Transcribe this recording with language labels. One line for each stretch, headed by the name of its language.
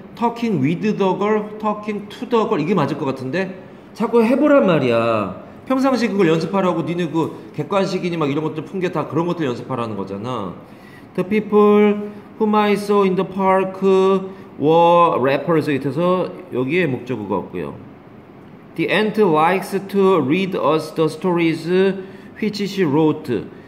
English: Talking with the girl, talking to the girl.
Korean: 이게 맞을 것 같은데? 자꾸 해보란 말이야. 평상시 그걸 연습하라고 니네 그 객관식이니 막 이런 것들 풍겨 다 그런 것들 연습하라는 거잖아.
English: The people whom I saw in the park were rappers.
Korean: 이래서 여기에 목적어가 없고요.
English: The ant likes to read us the stories which she wrote.